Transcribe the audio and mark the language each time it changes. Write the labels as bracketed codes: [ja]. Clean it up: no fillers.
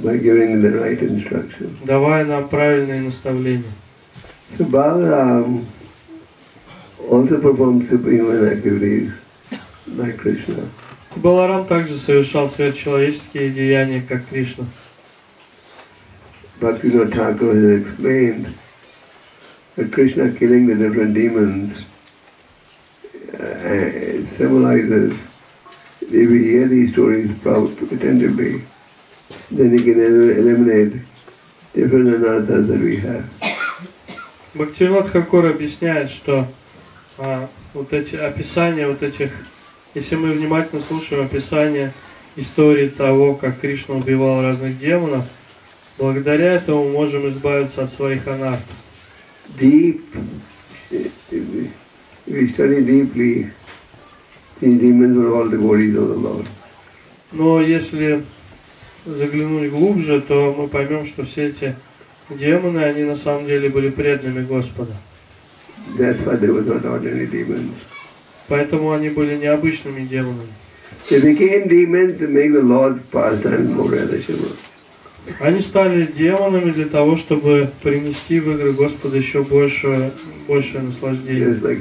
[en] By giving the right instructions. [ru] Давая нам правильные наставления. [en] So Balaram also performed superhuman activities like Krishna. [ru] Баларам также совершал сверхчеловеческие деяния, как Кришна. [en] But Bhaktivinoda Thakur has explained that Krishna killing the different demons symbolizes if we hear these stories attentively. Then he can eliminate different anarthas that we have. [ru] Бхактивинода Хакур объясняет, что вот эти описания вот этих, если мы внимательно слушаем описание истории того, как Кришна убивал разных демонов, благодаря этому мы можем избавиться от своих анарт. [en] Deep, if we study deeply, these demons were all devotees of the Lord. [ru] Но если заглянуть глубже, то мы поймем, что все эти демоны, они на самом деле были преданными Господа. [en] That's why they were not ordinary demons. [ru] Поэтому они были необычными демонами. [en] They became demons to make the Lord's pastime more relishable. [ru] Они стали демонами для того, чтобы принести в игры Господа еще больше наслаждения.